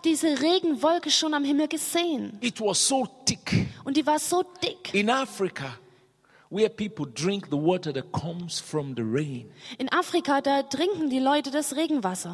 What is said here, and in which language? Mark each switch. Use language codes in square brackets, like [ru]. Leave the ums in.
[de] diese Regenwolke schon am Himmel gesehen. [en] It was so thick. [de] Und die war so dick. [en] In Afrika where people drink the water that comes from the rain. [de] In Afrika trinken die Leute das Regenwasser.